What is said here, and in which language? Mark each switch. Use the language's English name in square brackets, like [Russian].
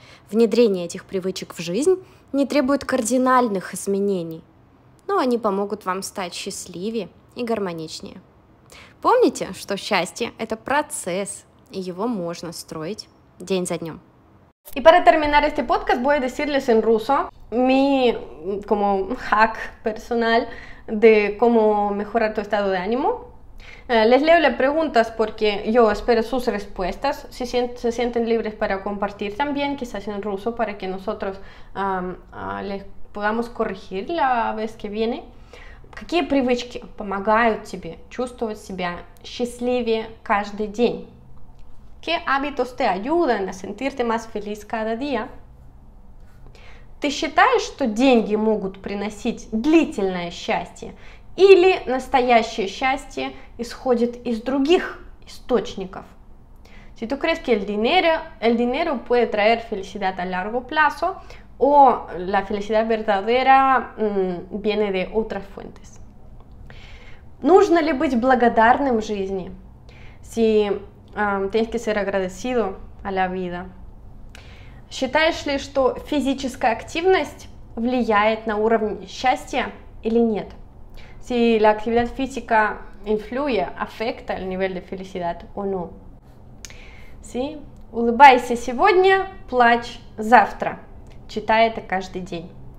[Russian] Внедрение этих привычек в жизнь не требует кардинальных изменений, но они помогут вам стать счастливее и гармоничнее. Помните, что счастье – это процесс, и его можно строить день за днем. [Spanish] И para terminar este podcast voy a decirles en ruso mi como hack personal de cómo mejorar tu estado de ánimo. Les leo las preguntas porque yo espero sus respuestas. Si se sienten libres para compartir también, quizás en ruso, para que nosotros les podamos corregir la vez que viene. [Russian] Какие привычки помогают тебе чувствовать себя счастливее каждый день? [Spanish] ¿Qué hábitos te ayudan a sentirte más feliz cada día? [Russian] ¿Ты считаешь, что деньги могут приносить длительное счастье? Или настоящее счастье исходит из других источников? [Spanish] Si tú crees que el dinero puede traer felicidad a largo plazo, o la felicidad verdadera viene de otras fuentes. [Russian] ¿Нужно ли быть благодарным в жизни? [Spanish] Si tienes que ser agradecido a la vida. [Russian] ¿Считаешь ли, что физическая активность влияет на уровень счастья или нет? [Spanish] Si la actividad física influye, afecta el nivel de felicidad o no. ¿Sí? [Russian] Улыбайся сегодня, плачь завтра. Читай это каждый день.